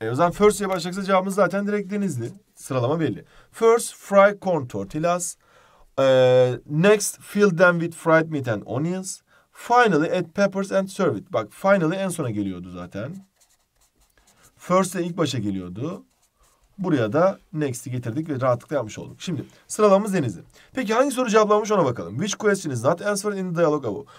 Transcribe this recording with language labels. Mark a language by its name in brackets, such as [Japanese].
[Turkish] O zaman first diye başlayacaksa cevabımız zaten direkt Denizli. Sıralama belli. [English] First fry corn tortillas. Next fill them with fried meat and onions. Finally add peppers and serve it. [Turkish] Bak finally en sona geliyordu zaten. First de ilk başa geliyordu. Buraya da next'i getirdik ve rahatlıkla yapmış olduk. Şimdi sıralamamız Denizli. Peki hangi soru cevaplanmış ona bakalım. [English] Which question is not answered in the dialogue above?